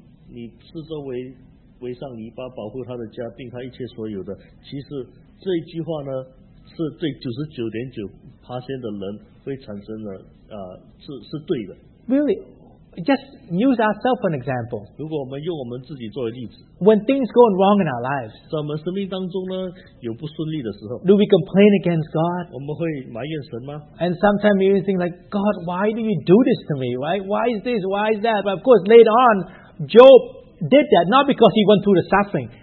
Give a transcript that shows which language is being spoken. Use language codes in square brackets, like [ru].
[zh] 所以当撒旦说约伯敬畏神是因为你是作为 为上篱笆保护他的家，并他一切所有的。其实这句话呢，是对99.9%的人会产生的，是对的。 [en] Really, just use ourselves for an example. [zh] 如果我们用我们自己作为例子， [en] when things go wrong in our lives, [zh] 在我们生命当中呢，有不顺利的时候， [en] do we complain against God? [zh] 我们会埋怨神吗？ [en] And sometimes you think like, God, why do you do this to me? Right? Why is this? Why is that? But of course, later on, Job did that not because he went through the suffering.